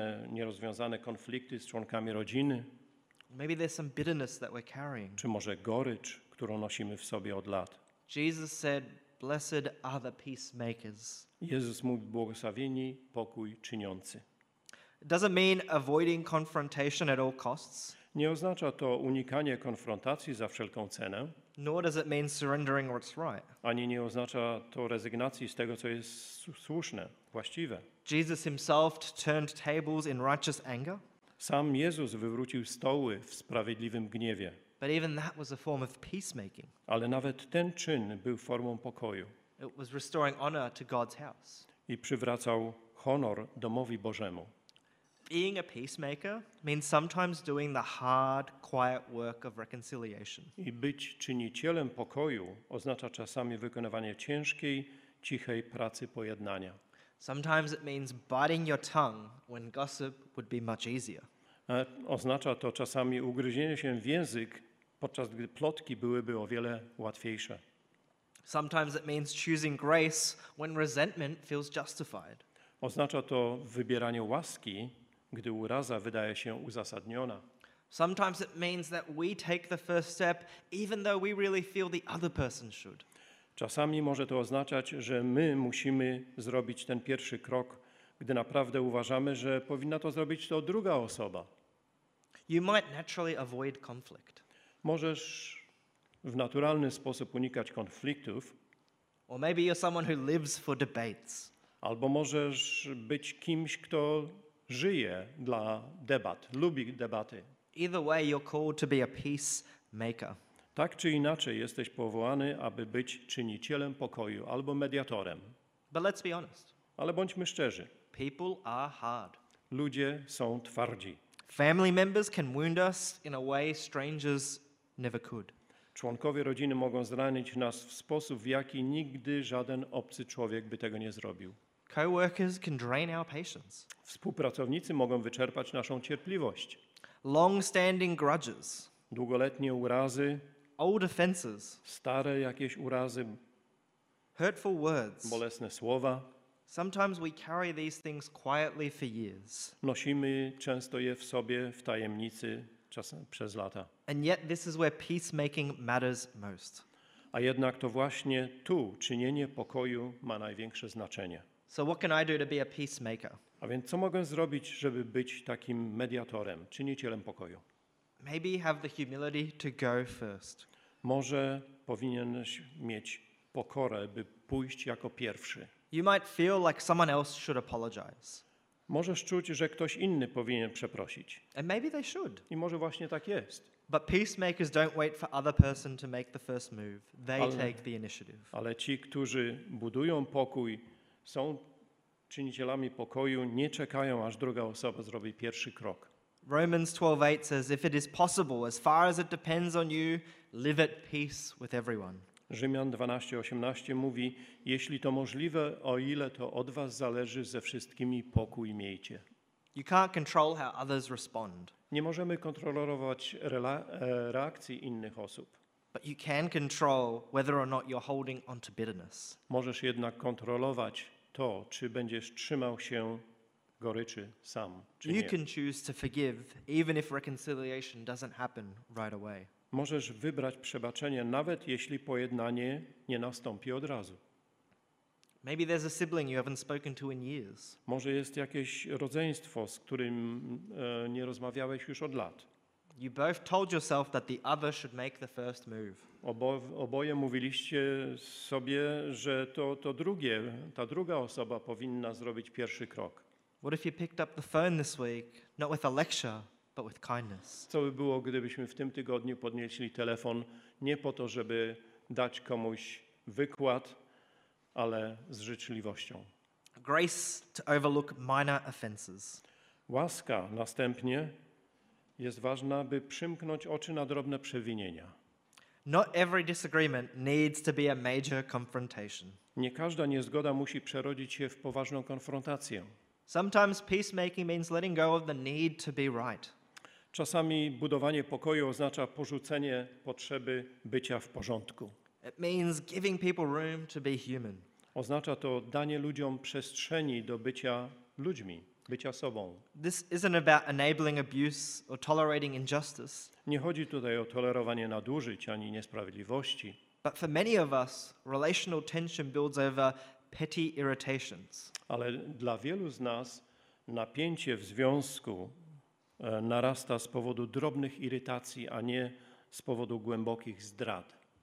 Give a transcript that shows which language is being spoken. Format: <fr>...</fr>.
<pl>nierozwiązane konflikty z członkami rodziny,</pl> <en>maybe there's some bitterness that we're carrying,</en> <pl>czy może gorycz, którą nosimy w sobie od lat.</pl> <en>Jesus said, "Blessed are the peacemakers."</en> <pl>Jezus mówi, błogosławieni pokój czyniący.</pl> <en>Doesn't mean avoiding confrontation at all costs.</en> <pl>Nie oznacza to unikanie konfrontacji za wszelką cenę.</pl> <en>Nor does it mean surrendering what's right.</en> <pl>Ani nie oznacza to rezygnacji z tego, co jest słuszne, właściwe.</pl> <en>Jesus himself turned tables in righteous anger.</en> <pl>Sam Jezus wywrócił stoły w sprawiedliwym gniewie.</pl> <en>But even that was a form of peacemaking.</en> <pl>Ale nawet ten czyn był formą pokoju.</pl> <en>It was restoring honor to God's house.</en> <pl>I przywracał honor domowi Bożemu.</pl> <en>Being a peacemaker means sometimes doing the hard, quiet work of reconciliation.</en> <pl>I być czynicielem pokoju oznacza czasami wykonywanie ciężkiej, cichej pracy pojednania.</pl> <en>Sometimes it means biting your tongue when gossip would be much easier.</en> <pl>Oznacza to czasami ugryzienie się w język, podczas gdy plotki byłyby o wiele łatwiejsze.</pl> <en>Sometimes it means choosing grace when resentment feels justified.</en> <pl>Oznacza to wybieranie łaski, gdy uraza wydaje się uzasadniona.</pl> <en>Sometimes it means that we take the first step, even though we really feel the other person should.</en> <pl>Czasami może to oznaczać, że my musimy zrobić ten pierwszy krok, gdy naprawdę uważamy, że powinna to zrobić to druga osoba.</pl> <en>You might naturally avoid conflict.</en> <pl>Możesz w naturalny sposób unikać konfliktów.</pl> <en>Or maybe you're someone who lives for debates.</en> <pl>Albo możesz być kimś, kto żyje dla debat, lubi debaty.</pl> <en>Either way, you're called to be a peacemaker.</en> <pl>Tak czy inaczej, jesteś powołany, aby być czynicielem pokoju albo mediatorem.</pl> <en>But let's be honest.</en> <pl>Ale bądźmy szczerzy.</pl> <en>People are hard.</en> <pl>Ludzie są twardzi.</pl> <en>Family members can wound us in a way strangers never could.</en> <pl>Członkowie rodziny mogą zranić nas w sposób, w jaki nigdy żaden obcy człowiek by tego nie zrobił.</pl> <en>Coworkers can drain our patience.</en> <pl>Współpracownicy mogą wyczerpać naszą cierpliwość.</pl> <en>Long-standing grudges.</en> <pl>Długoletnie urazy.</pl> <en>Old offenses.</en> <pl>Stare jakieś urazy.</pl> <en>Hurtful words.</en> <pl>Bolesne słowa.</pl> <en>Sometimes we carry these things quietly for years.</en> <pl>Nosimy często je w sobie w tajemnicy czasem przez lata.</pl> <en>And yet this is where peacemaking matters most.</en> <pl>A jednak to właśnie tu czynienie pokoju ma największe znaczenie.</pl> <en>So what can I do to be a peacemaker?</en> <pl>A więc co mogę zrobić, żeby być takim mediatorem, czynicielem pokoju?</pl> <en>Maybe have the humility to go first.</en> <pl>Może powinieneś mieć pokorę, by pójść jako pierwszy.</pl> <en>You might feel like someone else should apologize.</en> <pl>Możesz czuć, że ktoś inny powinien przeprosić.</pl> <en>And maybe they should.</en> <pl>I może właśnie tak jest.</pl> <en>But peacemakers don't wait for other person to make the first move. They take the initiative.</en> <pl>Ale ci, którzy budują pokój, są czynicielami pokoju, nie czekają, aż druga osoba zrobi pierwszy krok.</pl> <en>Romans 12:8 says, if it is possible, as far as it depends on you, live at peace with everyone.</en> <pl>Rzymian 12:18 mówi, jeśli to możliwe, o ile to od was zależy, ze wszystkimi pokój miejcie.</pl> <en>You can't control how others respond.</en> <pl>Nie możemy kontrolować reakcji innych osób.</pl> <en>But you can control whether or not you're holding on to bitterness.</en> <pl>Możesz jednak kontrolować to, to, czy będziesz trzymał się goryczy sam, czy</pl> <en>you</en> <pl>nie.</pl> <en>Can choose to forgive, even if reconciliation doesn't happen right away.</en> <pl>Możesz wybrać przebaczenie, nawet jeśli pojednanie nie nastąpi od razu.</pl> <en>Maybe there's a sibling you haven't spoken to in years.</en> <pl>Może jest jakieś rodzeństwo, z którym nie rozmawiałeś już od lat.</pl> <en>You both told yourself that the other should make the first move.</en> <pl>Oboje mówiliście sobie, że to drugie, ta druga osoba powinna zrobić pierwszy krok.</pl> <en>What if you picked up the phone this week, not with a lecture, but with kindness?</en> <pl>Co by było, gdybyśmy w tym tygodniu podnieśli telefon nie po to, żeby dać komuś wykład, ale z życzliwością.</pl> <en>Grace to overlook minor offenses.</en> <pl>Łaska następnie jest ważna, by przymknąć oczy na drobne przewinienia.</pl> <en>Not every disagreement needs to be a major confrontation.</en> <pl>Nie każda niezgoda musi przerodzić się w poważną konfrontację.</pl> <en>Sometimes peacemaking means letting go of the need to be right.</en> <pl>Czasami budowanie pokoju oznacza porzucenie potrzeby bycia w porządku.</pl> <en>It means giving people room to be human.</en> <pl>Oznacza to danie ludziom przestrzeni do bycia ludźmi, bycia sobą.</pl> <en>This isn't about enabling abuse or tolerating injustice.</en> <pl>Nie chodzi tutaj o tolerowanie nadużyć ani niesprawiedliwości.</pl> <en>But for many of us, relational tension builds over petty irritations.</en> <pl>Ale dla wielu z nas napięcie w związku narasta z powodu drobnych irytacji, a nie z powodu głębokich zdrad.</pl>